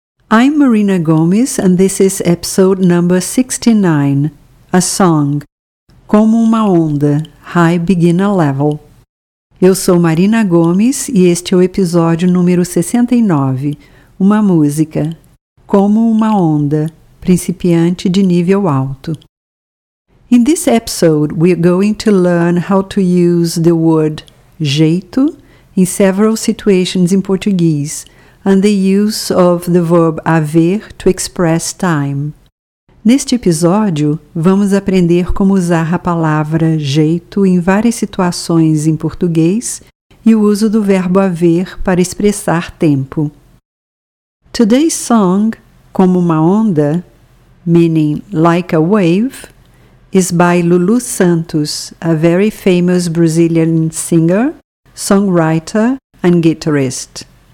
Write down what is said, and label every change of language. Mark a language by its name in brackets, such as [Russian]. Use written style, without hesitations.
[English] I'm Marina Gomes and this is episode number 69, a song, Como uma onda, High Beginner Level. [Portuguese] Eu sou Marina Gomes e este é o episódio número 69, uma música, Como uma onda, principiante de nível alto. [English] In this episode, we are going to learn how to use the word jeito in several situations in Portuguese and the use of the verb haver to express time. [Portuguese] Neste episódio, vamos aprender como usar a palavra jeito em várias situações em português e o uso do verbo haver para expressar tempo. [English] Today's song, Como uma onda, meaning like a wave, is by Lulu Santos, a very famous Brazilian singer, songwriter, and guitarist.